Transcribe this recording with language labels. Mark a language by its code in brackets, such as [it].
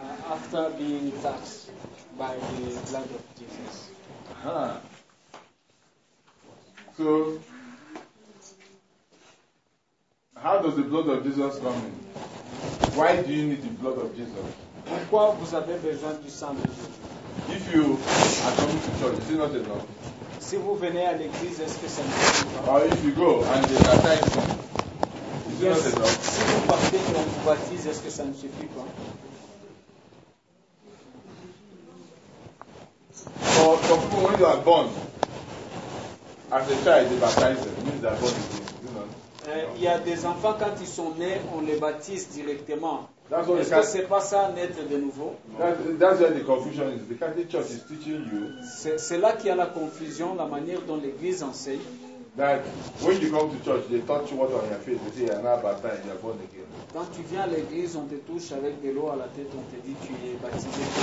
[en] After being touched by the blood of Jesus. So, how does the blood of Jesus come in? Why do you need the blood of Jesus? [fr] Pourquoi vous avez besoin du sang de Jésus? [en] If you are coming to church, is it not enough? [fr] Si vous venez à l'église, est-ce que ça ne suffit pas? [en] Or if you go and they baptize you, is it not enough? [fr] Si vous partez et on vous baptise, est-ce que ça ne suffit pas? [en] For people when you are born, as a child, they baptize them. Means they are born again. [fr] Il y a des enfants, quand ils sont nés, on les baptise directement. [en] That's what [fr] est-ce que ce n'est pas ça, naître de nouveau? [en] That's where the confusion is. The Catholic Church is teaching you. [fr] C'est là qu'il y a la confusion, la manière dont l'Église enseigne. [en] That when you come to church, they touch you water on your face, they say, you're not baptized, you're born again. [fr] Quand tu viens à l'Église, on te touche avec de l'eau à la tête, on te dit, tu es baptisé.